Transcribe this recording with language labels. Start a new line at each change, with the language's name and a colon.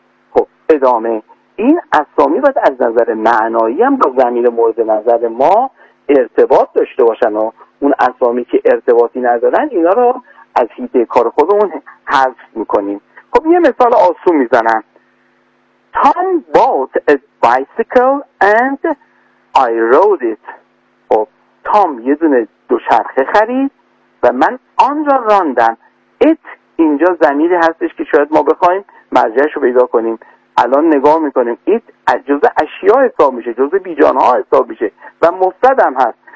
Persian: خب ادامه، این اسامی باید از نظر معنایی هم با ضمیر مورد نظر ما ارتباط داشته باشن و اون اسامی که ارتباطی ندارن اینا رو از حیطه کار خودمون حذف میکنیم. خب یه مثال آسون میزنم،
English: Tom bought a bicycle and I rode it.
Persian: Tom یه دونه دوچرخه خرید و من آن را راندم. It اینجا ضمیری هستش که شاید ما بخوایم مرجعش رو پیدا کنیم. الان نگاه میکنیم it از جزء اشیاء حساب میشه، جزء بیجانها حساب میشه و مفرد هم هست.